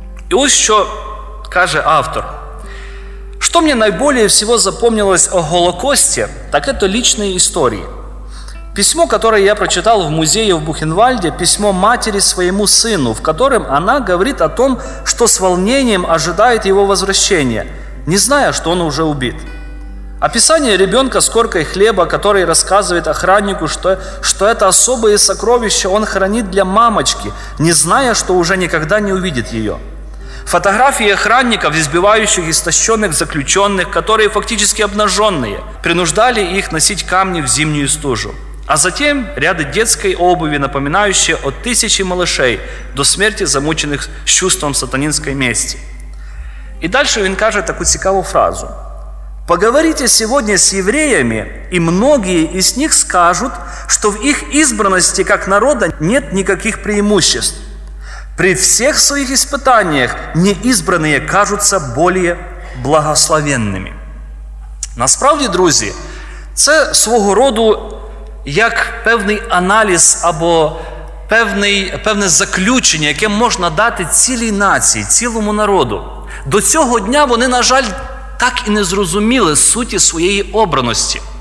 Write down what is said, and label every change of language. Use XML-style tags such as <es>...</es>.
<uk>І ось що каже автор. «Що мені найболіше всього запомнилось о Голокості, так это лічної історії. Письмо, яке я прочитав в музеї в Бухенвальді, письмо матері своєму сину, в котором вона говорить о том, що з волненням ожидає його возвращення, не знає, що він вже убит.</uk> <ru>Описание ребенка с коркой хлеба, который рассказывает охраннику, что это особое сокровище он хранит для мамочки, не зная, что уже никогда не увидит ее. Фотографии охранников, избивающих истощенных заключенных, которые фактически обнаженные, принуждали их носить камни в зимнюю стужу. А затем ряды детской обуви, напоминающие о тысяче малышей до смерти замученных с чувством сатанинской мести». И дальше он каже такую цікаву фразу. «Поговорите сегодня с евреями, и многие из них скажут, что в их избранности как народа нет никаких преимуществ. При всех своих испытаниях неизбранные кажутся более благословенными».</ru> <uk>Насправді, друзі, це свого роду як певний аналіз або певне заключення, яке можна дати цілій нації, цілому народу. До цього дня вони, на жаль, так і не зрозуміли суті своєї обраності.</uk>